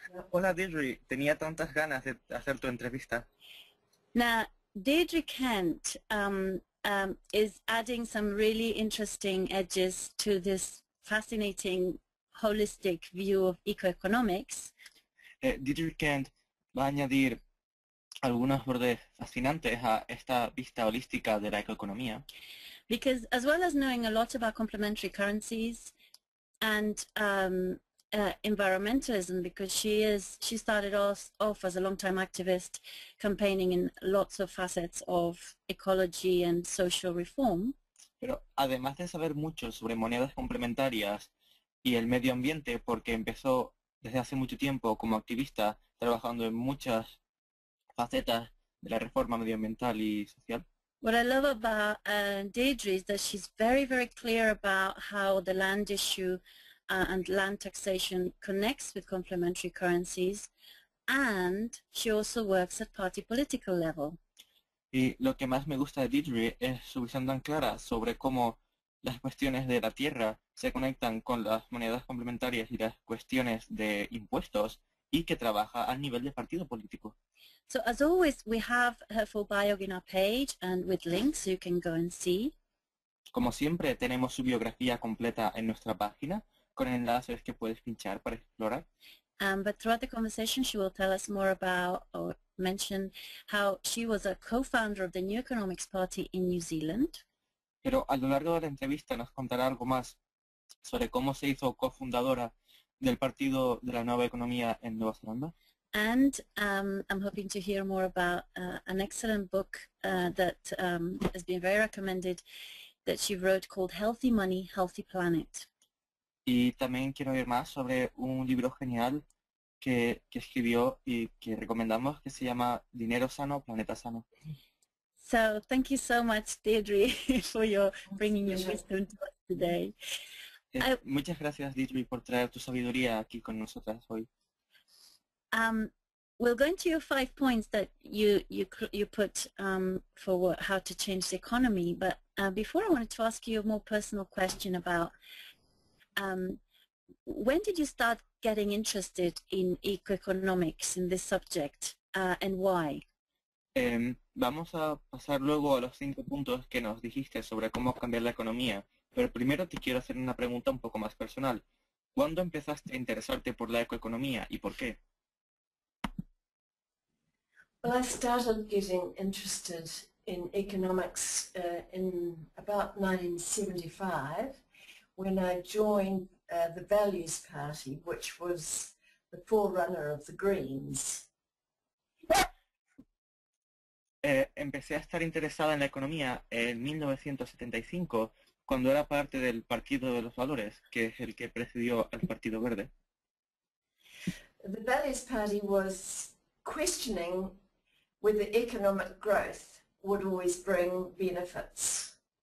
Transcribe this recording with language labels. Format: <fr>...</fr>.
<es>Hola, Deirdre. Tenía tantas ganas de hacer tu entrevista.</es> <en>Now, Deirdre Kent is adding some really interesting edges to this fascinating holistic view of eco-economics.</en> <es>Deirdre Kent va a añadir algunos bordes fascinantes a esta vista holística de la ecoeconomía.</es> <en>Because as well as knowing a lot about complementary currencies and environmentalism, because she started off as a long-time activist campaigning in lots of facets of ecology and social reform.</en> <es>Pero además de saber mucho sobre monedas complementarias y el medio ambiente, porque empezó desde hace mucho tiempo como activista trabajando en muchas facetas de la reforma medioambiental y social.</es> <en>What I love about Deirdre is that she's very, very clear about how the land issue and land taxation connects with complementary currencies, and she also works at party political level.</en> <es>Y lo que más me gusta de Deirdre es su visión tan clara sobre cómo las cuestiones de la tierra se conectan con las monedas complementarias y las cuestiones de impuestos, y que trabaja a nivel de partido político.</es> <en>So as always, we have her full bio in our page and with links, so you can go and see.</en> <es>Como siempre, tenemos su biografía completa en nuestra página, con enlaces que puedes pinchar para explorar.</es> <en>But throughout the conversation, she will tell us more about or mention how she was a co-founder of the New Economics Party in New Zealand.</en> <es>Pero a lo largo de la entrevista nos contará algo más sobre cómo se hizo cofundadora del Partido de la Nueva Economía en Nueva Zelanda.</es> <en>And I'm hoping to hear more about an excellent book that has been very recommended that she wrote called Healthy Money, Healthy Planet.</en> <es>Y también quiero oír más sobre un libro genial que escribió y que recomendamos, que se llama Dinero Sano, Planeta Sano.</es> <en>So thank you so much, Deirdre, for your bringing your wisdom to us today.</en> <es>Muchas gracias, Deirdre, por traer tu sabiduría aquí con nosotras hoy.</es> <en>We'll go into your 5 points that you put for how to change the economy. But before, I wanted to ask you a more personal question about when did you start getting interested in eco-economics, in this subject, and why?</en> <es>Vamos a pasar luego a los 5 puntos que nos dijiste sobre cómo cambiar la economía. Pero primero te quiero hacer una pregunta un poco más personal. ¿Cuándo empezaste a interesarte por la ecoeconomía y por qué?</es> <en>Well, I started getting interested in economics in about 1975, when I joined the Values Party, which was the forerunner of the Greens.</en> <es>Empecé a estar interesada en la economía en 1975, cuando era parte del Partido de los Valores, que es el que precedió al Partido Verde.</es> <en>The Values Party was questioning whether economic growth would always bring benefits.</en>